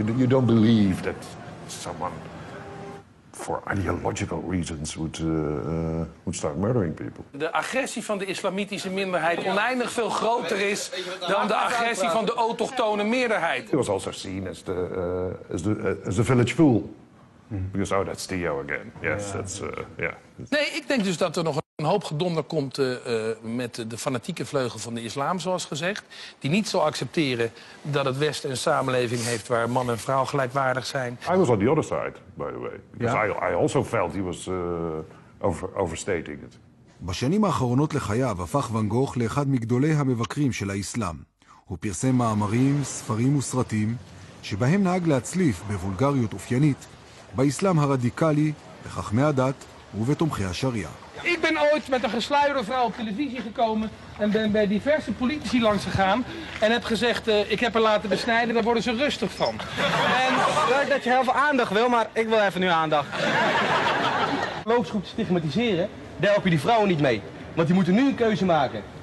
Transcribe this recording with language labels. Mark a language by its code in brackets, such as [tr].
[en] You don't believe that someone, for ideological reasons, would start murdering people. [nl] De agressie van de islamitische minderheid oneindig veel groter is dan de agressie van de autochtone meerderheid. [en] He was also seen as the village fool. Because, oh, that's Theo again. Yes, yeah. That's, yeah. [nl] Nee, ik denk dus dat er nog een hoop gedonder komt met de fanatieke vleugel van de islam, zoals gezegd. Die niet zal accepteren dat het Westen een samenleving heeft waar man en vrouw gelijkwaardig zijn. [en] I was on the other side, by the way. Because yeah. I also felt he was overstating it. [he] בשנים האחרונות לחייו הפך ואן גוך לאחד מגדולי המבקרים של האסלאם. הוא פרסם מאמרים, ספרים וסרטים שבהם נהג להצליף בבולגריות אופיינית באסלאם הרדיקלי, בחכמי הדת ובתומכי השריעה. [nl] Ik ben ooit met een gesluierde vrouw op televisie gekomen en ben bij diverse politici langs gegaan en heb gezegd, ik heb haar laten besnijden, daar worden ze rustig van. En leuk dat je heel veel aandacht wil, maar ik wil even nu aandacht. Loop ze goed te stigmatiseren, daar help je die vrouwen niet mee. Want die moeten nu een keuze maken.